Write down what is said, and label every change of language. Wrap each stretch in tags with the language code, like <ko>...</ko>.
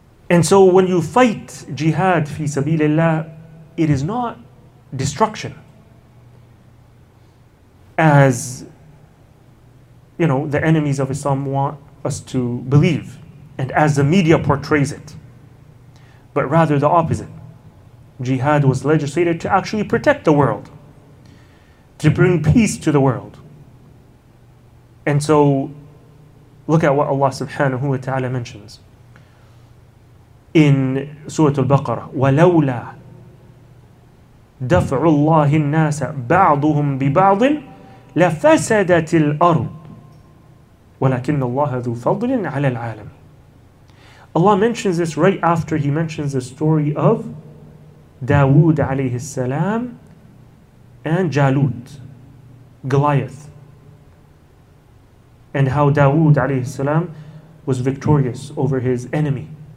<en>And so when you fight jihad fi sabilillah, it is not destruction, as you know the enemies of Islam want us to believe, and as the media portrays it, but rather the opposite. Jihad was legislated to actually protect the world, to bring peace to the world. And so look at what Allah subhanahu wa ta'ala mentions in Surah Al-Baqarah,</en> <ar>وَلَوْلَا دَفْعُ اللَّهِ النَّاسَ بَعْضُهُمْ بِبَعْضٍ لَفَسَدَتِ الْأَرْضِ وَلَكِنَّ اللَّهَ ذُو فَضْلٍ عَلَى الْعَالَمِ.</ar> <en>Allah mentions this right after He mentions the story of Dawood alayhi salam and Jalut, Goliath, and how Dawood alayhi salam was victorious over his enemy.</en>